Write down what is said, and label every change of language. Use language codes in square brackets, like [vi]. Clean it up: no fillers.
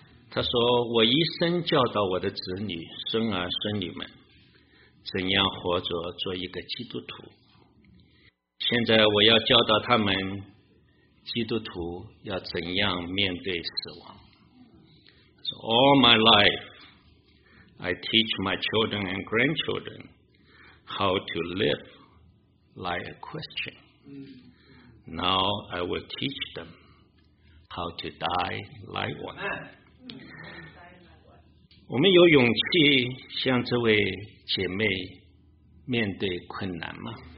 [zh] 她说，我一生教导我的子女孙儿孙女们怎样活着做一个基督徒，现在我要教导他们基督徒要怎样面对死亡。 [en] So, All my life I teach my children and grandchildren how to live like a Christian. Now I will teach them how to die like one. [zh] 我们有勇气向这位姐妹面对困难吗？